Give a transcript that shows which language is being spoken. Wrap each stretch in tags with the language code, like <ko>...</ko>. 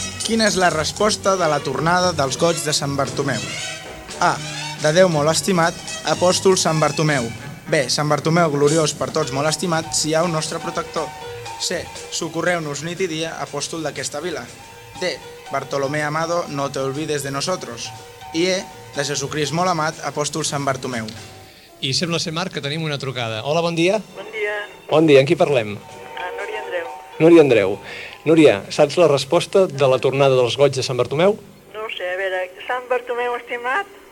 <ca>Quina és la resposta de la tornada dels goigs de Sant Bartomeu? A. De Déu molt estimat, apòstol Sant Bartomeu. Bé, Sant Bartomeu, gloriós per tots, molt estimat, si hi ha un nostre protector. C. Socorreu-nos nit i dia, apòstol d'aquesta vila. D.</ca> <es>Bartolomé amado, no te olvides de nosotros.</es> <ca>I E. De Jesucrist molt amat, apòstol Sant Bartomeu. I sembla ser, Marc, que tenim una trucada. Hola, bon dia. Bon dia. Bon dia, amb qui parlem? Núria Andreu. Núria Andreu. Núria, saps la resposta de la tornada dels goigs de Sant Bartomeu? No ho sé, a veure, Sant Bartomeu estimat.</ca>